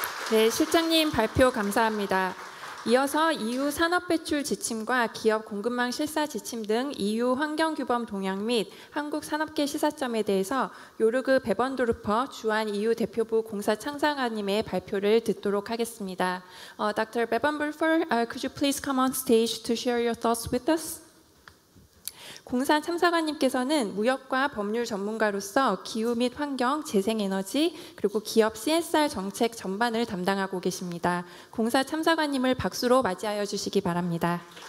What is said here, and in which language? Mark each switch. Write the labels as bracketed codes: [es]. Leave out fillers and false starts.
[ko] 네, 실장님 발표 감사합니다. 이어서 EU 산업 배출 지침과 기업 공급망 실사 지침 등 EU 환경 규범 동향 및 한국 산업계 시사점에 대해서 요르그 베번드루퍼 주한 EU 대표부 공사 창상관님의 발표를 듣도록 하겠습니다. [en] Dr. Bebenbruffer, could you please come on stage to share your thoughts with us? [ko] 공사 참사관님께서는 무역과 법률 전문가로서 기후 및 환경, 재생에너지, 그리고 기업 CSR 정책 전반을 담당하고 계십니다. 공사 참사관님을 박수로 맞이하여 주시기 바랍니다.